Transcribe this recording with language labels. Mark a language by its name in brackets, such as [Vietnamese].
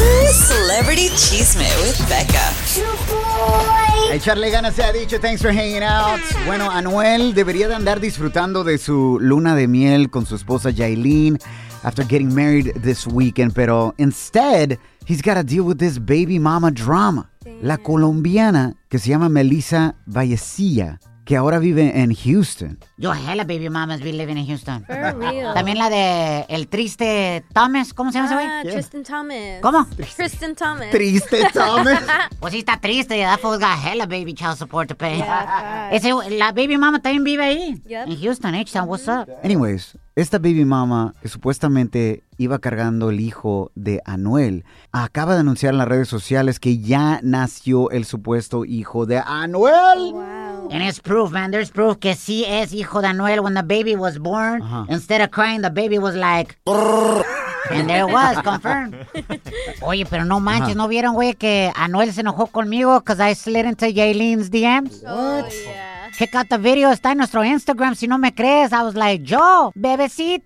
[English] Celebrity Chisme with Becca. [Spanish] Echarle ganas se ha dicho. [English] Thanks for hanging out. [Spanish] Bueno, Anuel debería de andar disfrutando de su luna de miel con su esposa Yailin [English] after getting married this weekend. Pero instead, he's got to deal with this baby mama drama. [Spanish] La colombiana que se llama Melissa Vallecilla, que ahora vive en Houston. [English] Yo, hella baby mamas be living in Houston. For real. [Spanish] También la de el triste Thomas. ¿Cómo se llama ese güey? [English] Tristan Thomas. [Spanish] ¿Cómo? [English] Tristan Thomas. [Spanish] Triste Thomas. Pues sí está triste. [English] That fool's got hella baby child support to pay. [Spanish] Yeah, ese, la baby mama también vive ahí. [English] Yep. [Spanish] En Houston, H-Town. Mm-hmm. [English] What's up? [Spanish] Anyways, esta baby mama que supuestamente iba cargando el hijo de Anuel acaba de anunciar en las redes sociales que ya nació el supuesto hijo de Anuel. [English] Wow. And it's proof, man. There's proof [Spanish] que sí es hijo de Anuel. [English] When the baby was born, instead of crying, the baby was like, brrr. And there it was, confirmed. [Spanish] Oye, pero no manches, ¿no vieron, güey, que Anuel se enojó conmigo [English] because I slid into Yailin's DMs? What? Oh, yeah. Check out the video, [Spanish] está en nuestro Instagram, si no me crees. [English] I was like, yo, [Spanish] bebecita.